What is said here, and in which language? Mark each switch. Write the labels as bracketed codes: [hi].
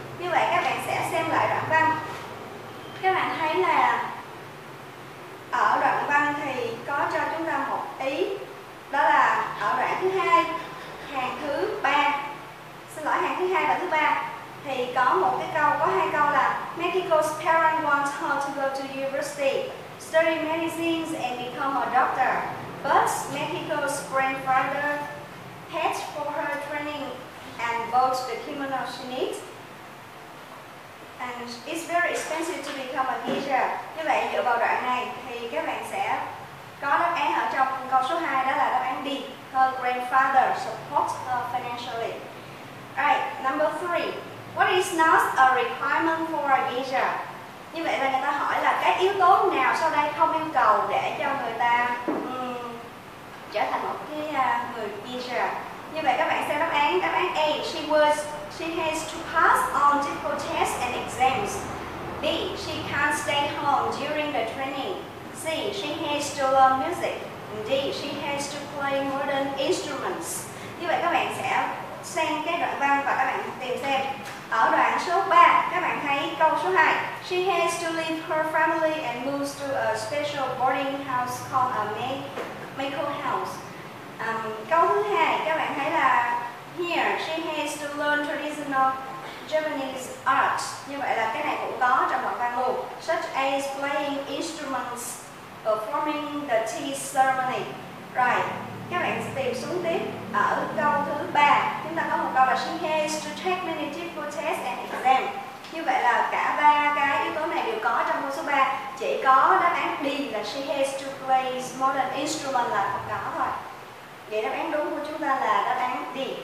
[vi] Như vậy các bạn sẽ xem lại đoạn văn. Các bạn thấy là ở đoạn văn thì có cho chúng ta một ý. Đó là ở đoạn thứ 2, hàng thứ 3. Xin lỗi, hàng thứ 2 và thứ 3 thì có một cái câu, có hai câu là [en] Mexico's parents want her to go to university, study medicine and become a doctor. But Mexico's grandfather paid for her training and bought the kimono she needs. And it's very expensive to become a teacher. [vi] Như vậy dựa vào đoạn này thì các bạn sẽ có đáp án ở trong câu số 2, đó là đáp án B, [en] her grandfather supports her financially. Alright, number 3. What is not a requirement for a geisha? [vi] Như vậy là người ta hỏi là cái yếu tố nào sau đây không yêu cầu để cho người ta trở thành một cái người geisha. Như vậy các bạn xem đáp án. Đáp án A, [en] she has to pass on difficult tests and exams. B, she can't stay home during the training. C, she has to learn music. D, she has to play modern instruments. [vi] Như vậy các bạn sẽ xem cái đoạn văn và các bạn tìm xem. Ở đoạn số 3, các bạn thấy câu số 2. [en] She has to leave her family and move to a special boarding house called a Mexico house. [vi] Câu thứ 2, các bạn thấy là [en] here, she has to learn traditional Japanese art. [vi] Như vậy là cái này cũng có trong đoạn văn luôn. [en] Such as playing instruments, performing the tea ceremony. Right. [vi] Các bạn tìm xuống tiếp. Ở câu thứ 3, chúng ta có một câu là [en] she has to take many difficult tests and exams. [vi] Như vậy là cả ba cái yếu tố này đều có trong câu số 3. Chỉ có đáp án D là [en] she has to play modern instrument [vi] là không có thôi. Vậy đáp án đúng của chúng ta là đáp án D.